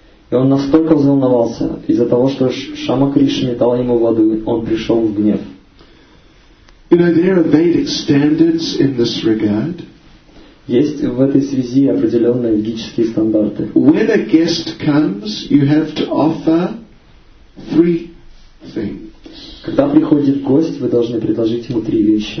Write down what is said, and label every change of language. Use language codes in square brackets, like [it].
[ru] И он настолько взволновался из-за того, что Шамака Риши не дал ему воды, он пришел в гнев. [en] You know, there are Vedic standards in this regard. [ru] Есть в этой связи определенные ведические стандарты. [en] When a guest comes, you have to offer three things. [ru] Когда приходит гость, вы должны предложить ему три вещи.